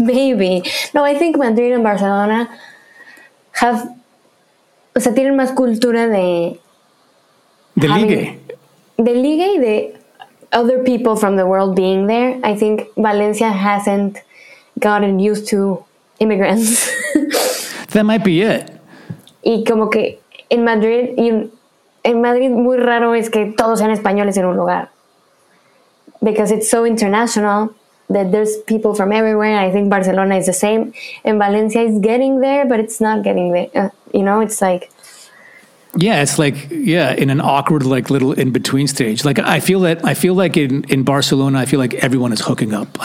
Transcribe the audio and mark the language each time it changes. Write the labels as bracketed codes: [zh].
[en] Maybe. No, I think Madrid and Barcelona, have, [es] o sea, tienen más cultura de ligue. De ligue y de [en] other people from the world being there. I think Valencia hasn't gotten used to immigrants. That might be it. [es] Y como que en Madrid, y en Madrid muy raro es que todos sean españoles en un lugar. [en] Because it's so international that there's people from everywhere. I think Barcelona is the same. And Valencia is getting there, but it's not getting there. You know, it's like... Yeah, it's like, yeah, in an awkward, like, little in-between stage. Like, I feel that, I feel like in Barcelona, I feel like everyone is hooking up.